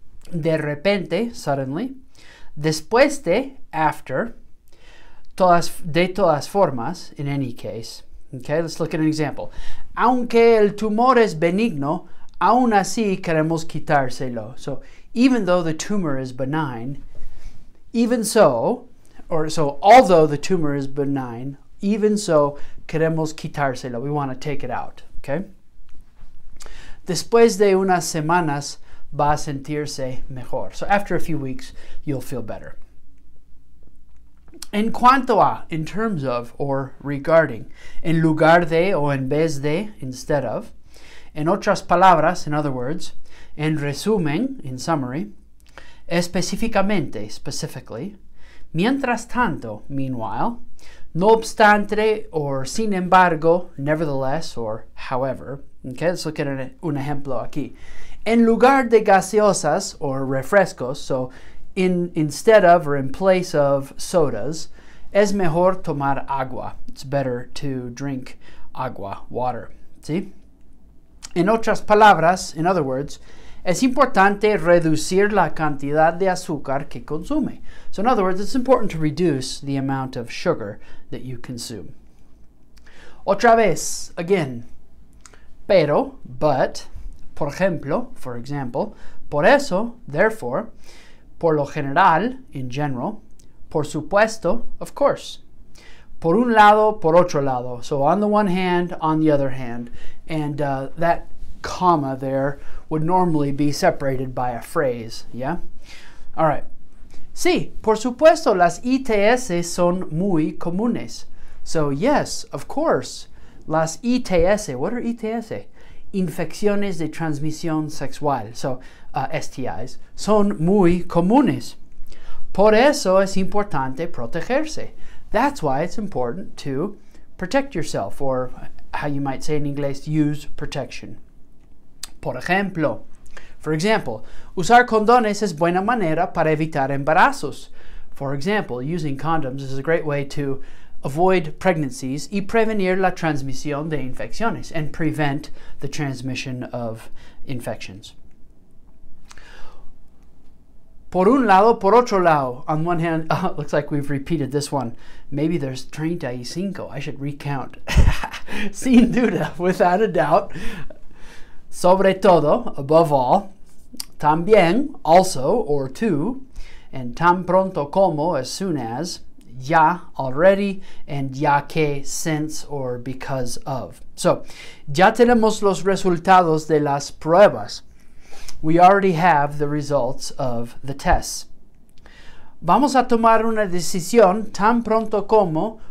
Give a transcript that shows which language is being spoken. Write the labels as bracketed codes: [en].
[es] De repente, [en] suddenly, [es] después de, [en] after, [es] de todas formas, [en] in any case. Okay, let's look at an example. [es] Aunque el tumor es benigno, aún así queremos quitárselo. [en] So, even though the tumor is benign, although the tumor is benign, even so, [es] queremos quitárselo. [en] We want to take it out. Okay? [es] Después de unas semanas, va a sentirse mejor. [en] So after a few weeks, you'll feel better. [es] En cuanto a, [en] in terms of, or regarding. [es] En lugar de, o en vez de, [en] instead of. [es] En otras palabras, [en] in other words. [es] En resumen, [en] in summary. [es] Específicamente, [en] specifically. [es] Mientras tanto, [en] meanwhile. [es] No obstante, or sin embargo, [en] nevertheless, or however. Okay, let's look at [es] un ejemplo aquí. En lugar de gaseosas, or refrescos, [en] so instead of or in place of sodas, [es] es mejor tomar agua. [en] It's better to drink agua, water. ¿Sí? [es] En otras palabras, [en] in other words, [es] es importante reducir la cantidad de azúcar que consume. [en] So in other words, it's important to reduce the amount of sugar that you consume. [es] Otra vez, [en] again. [es] Pero, but, por ejemplo, [en] for example, [es] por eso, [en] therefore, [es] por lo general, [en] in general, [es] por supuesto, [en] of course. [es] Por un lado, por otro lado. [en] So on the one hand, on the other hand. And that comma there would normally be separated by a phrase, yeah? All right. [es] Sí, por supuesto, las ITS son muy comunes. [en] So yes, of course, [es] las ITS, [en] what are ITS? [es] Infecciones de transmisión sexual, so STIs, son muy comunes. Por eso es importante protegerse. [en] That's why it's important to protect yourself, or how you might say in English, use protection. [es] Por ejemplo, [en] for example, [es] usar condones es buena manera para evitar embarazos. [en] For example, using condoms is a great way to avoid pregnancies [es] y prevenir la transmisión de infecciones, [en] and prevent the transmission of infections. [es] Por un lado, por otro lado. [en] On one hand, looks like we've repeated this one. Maybe there's 35. I should recount. [es] Sin duda, [en] without a doubt. [es] Sobre todo, [en] above all. [es] También, [en] also, or to. And [es] tan pronto como, [en] as soon as. Ya, already. And [es] ya que, [en] since, or because of. [es] So, ya tenemos los resultados de las pruebas. [en] We already have the results of the tests. [es] Vamos a tomar una decisión tan pronto como.